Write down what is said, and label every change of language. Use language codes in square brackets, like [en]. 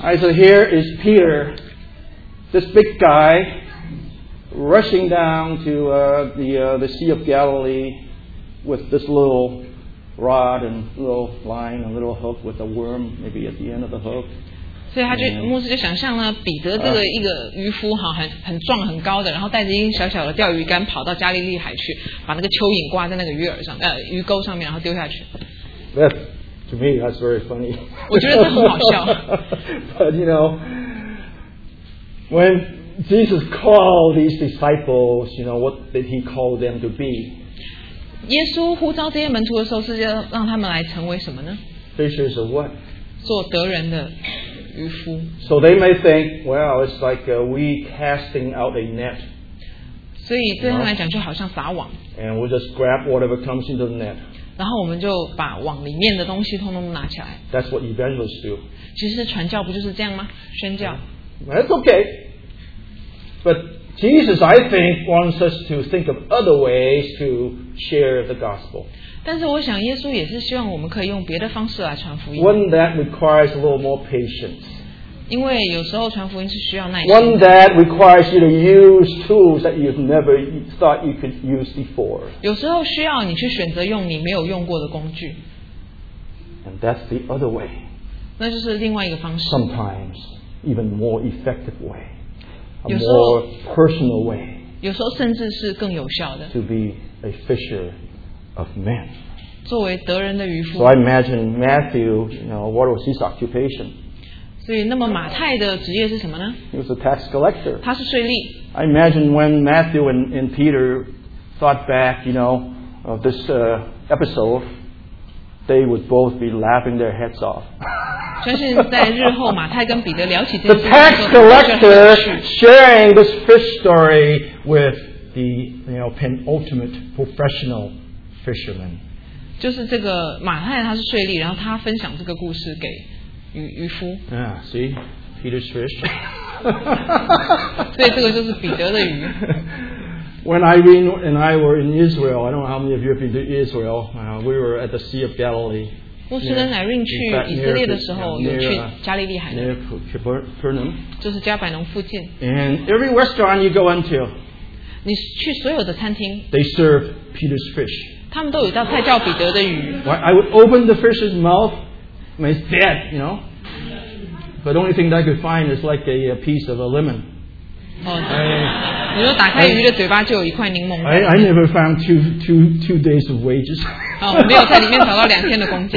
[en] I said, here is Peter, this big guy, rushing down to the Sea of Galilee with this little rod and little line and little hook with a worm maybe at the end of the hook. [zh] 所以他就牧师就想象呢，彼得这个一个渔夫哈，很壮很高的，然后带着一根小小的钓鱼竿跑到加利利海去，把那个蚯蚓挂在那个鱼饵上，鱼钩上面，然后丢下去。 [en] That to me that's very funny. [zh] 我觉得这很好笑。 [en] But when Jesus called these disciples, what did he call them to be? [zh] 耶稣呼召这些门徒的时候，是要让他们来成为什么呢 [en] ？Fishers of what? [zh] 做得人的。 [en] So they may think, it's like we casting out a net. [zh] 所以对他们来讲就好像撒网。 [en] And we'll just grab whatever comes into the net. [zh] 然后我们就把网里面的东西通通拿起来。 [en] That's what evangelists do. [zh] 其实传教不就是这样吗？宣教。 [en] That's okay. But Jesus, I think, wants us to think of other ways to share the gospel. [zh] 但是我想，耶稣也是希望我们可以用别的方式来传福音。 [en] One that requires a little more patience. [zh] 因为有时候传福音是需要耐心。 [en] One that requires you to use tools that you've never thought you could use before. [zh] 有时候需要你去选择用你没有用过的工具。 [en] And that's the other way. [zh] 那就是另外一个方式。 [en] Sometimes even more effective way, a more personal way. [zh] 有时候甚至是更有效的。 [en] To be a fisher. Of men. [zh] 作为得人的渔夫。 [en] So I imagine Matthew, what was his occupation? [zh] 所以那么马太的职业是什么呢 [en] He was a tax collector. [zh] 他是税吏。 [en] I imagine when Matthew and Peter thought back, of this episode, they would both be laughing their heads off. The tax collector sharing this fish story with the, you know, penultimate professional fisherman. [zh] 就是这个马太他是税吏，然后他分享这个故事给 渔夫。 [en] Yeah, see, Peter's fish. [zh] 所以这个就是彼得的鱼。 [en] When Irene and I were in Israel, I don't know how many of you have been to Israel. We were at the Sea of Galilee. [zh] 牧师跟 Irene 去以色列的时候，有去加利利海。 [en] Near Capernaum. [zh] 就是加百农附近。 [en] And every restaurant you go into, [zh] 你去所有的餐厅 [en] ，they serve Peter's fish. [zh] 他们都有道菜叫彼得的鱼。 [en] I would open the fish's mouth, and it's dead, you know. But the only thing that I could find is like a piece of a lemon. [zh] 你说打开鱼的嘴巴就有一块柠檬。 [en] I never found two days of wages. [zh] 没有在里面找到两天的工资。